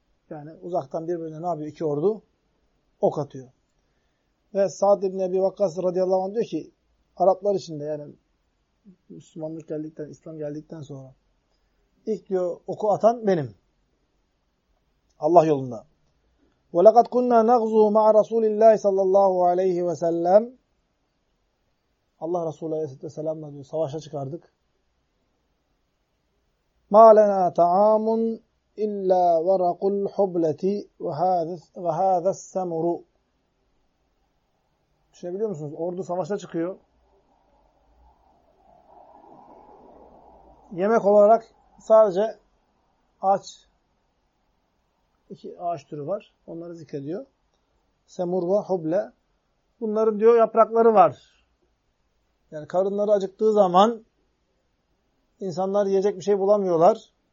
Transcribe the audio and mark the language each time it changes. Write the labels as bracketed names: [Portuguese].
[Turkish] Yani uzaktan birbirine ne yapıyor? İki ordu ok atıyor. Ve Sa'd ibn Ebi Vakkas radıyallahu anh diyor ki Araplar içinde, yani Müslümanlık geldikten, İslam geldikten sonra ilk diyor oku atan benim. Allah yolunda. [Arabic] وَلَقَدْ كُنَّا نَغْزُوا مَعَ رَسُولِ اللّٰهِ صَلَّى اللّٰهُ عَلَيْهِ وَسَلَّمْ [Turkish] Allah Resulü Aleyhisselatü Vesselam'la diyor savaşa çıkardık. [Arabic] مَا لَنَا تَعَامٌ اِلَّا وَرَقُ الْحُبْلَةِ وَهَذَا السَّمُرُ [Turkish] Düşünebiliyor musunuz? Ordu savaşa çıkıyor. Yemek olarak sadece ağaç, iki ağaç türü var. Onları zikrediyor. Semur ve huble. Bunların diyor yaprakları var. Yani karınları acıktığı zaman insanlar yiyecek bir şey bulamıyorlar.